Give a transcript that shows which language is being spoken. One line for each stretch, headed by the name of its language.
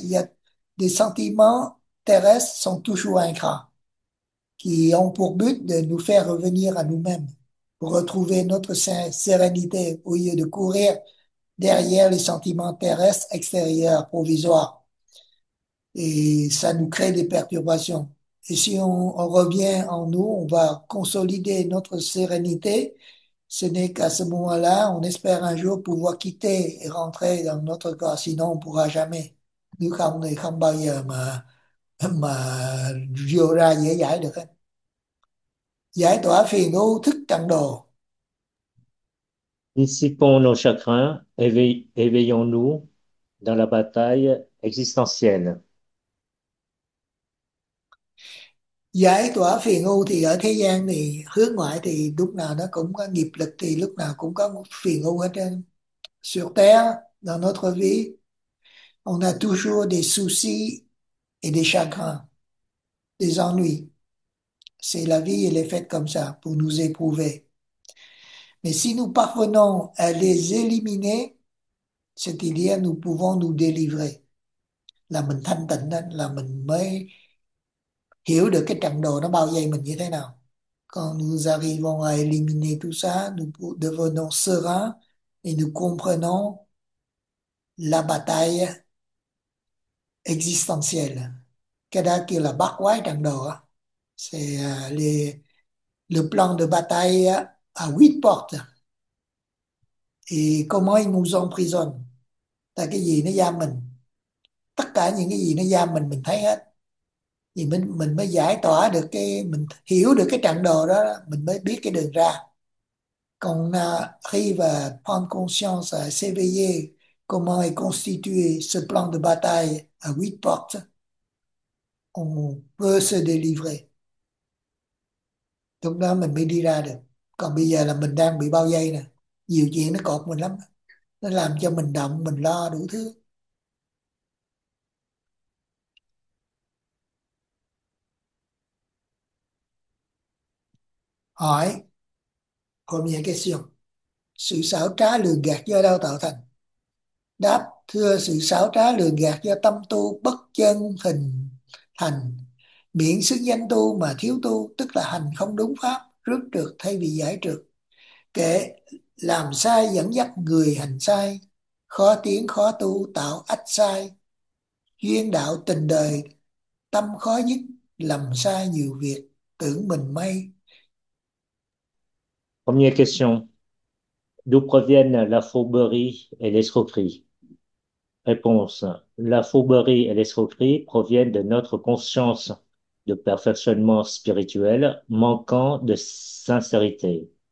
French: Il y a des sentiments terrestres sont toujours incas, qui ont pour but de nous faire revenir à nous-mêmes, pour retrouver notre sérénité au lieu de courir derrière les sentiments terrestres extérieurs, provisoires. Et ça nous crée des perturbations. Et si on revient en nous, on va consolider notre sérénité. Ce n'est qu'à ce moment-là, on espère un jour pouvoir quitter et rentrer dans notre corps. Sinon, on ne pourra jamais. Nous, on n'est
Vietnamese: không bao giờ mà vô ra dễ giải được. Giải tỏa phiền ưu thức tận đồ.
French: Dissipons nos chagrins, éveillons-nous dans la bataille existentielle.
Vietnamese: Giải tỏa phiền ưu thì ở thế gian thì hướng ngoại thì lúc nào nó cũng có nghiệp lực, thì lúc nào cũng có phiền ưu ở trên
French: sur terre, dans notre vie on a toujours des soucis et des chagrins, des ennuis.
Vietnamese: C'est la vie, elle est faite comme ça pour nous éprouver.
French: Mais si nous parvenons à les éliminer, c'est-à-dire nous pouvons nous délivrer,
Vietnamese: là mình thanh tịnh, là mình mới hiểu được cái trận đồ nó bao vây mình như thế nào.
French: Quand nous arrivons à éliminer tout ça, nous devenons sereins et nous comprenons la bataille existentielle.
Vietnamese: Cái đó kêu là bát quái trận đồ.
French: C'est le plan de bataille à huit portes. Et comment ils nous emprisonnent?
Vietnamese: Tại cái gì nó giam mình? Tất cả những cái gì nó giam mình thấy hết. Thì mình mới giải tỏa được cái, mình hiểu được cái trận đồ đó, mình mới biết cái đường ra. Còn khi và
French: prendre conscience s'éveiller comment est constitué ce plan de bataille à huit portes, on peut se délivrer.
Vietnamese: Lúc đó mình mới đi ra được. Còn bây giờ là mình đang bị bao vây nè, nhiều chuyện nó cột mình lắm, nó làm cho mình động, mình lo đủ thứ. Hỏi, hôm nay question, sự xảo trá lường gạt do đâu tạo thành? Đáp, thưa, sự xảo trá lường gạt do tâm tu bất chân hình thành, miễn xưng danh tu mà thiếu tu, tức là hành không đúng pháp, rước trược thay vì giải trược. Kệ, làm sai dẫn dắt người hành sai, khó tiến khó tu tạo ách sai, duyên đạo tình đời, tâm khó nhất, làm sai nhiều việc, tưởng mình may.
French: Première question. D'où proviennent la fourberie et l'escroquerie? Réponse. La fourberie et l'escroquerie proviennent de notre conscience de perfectionnement spirituel manquant de sincérité.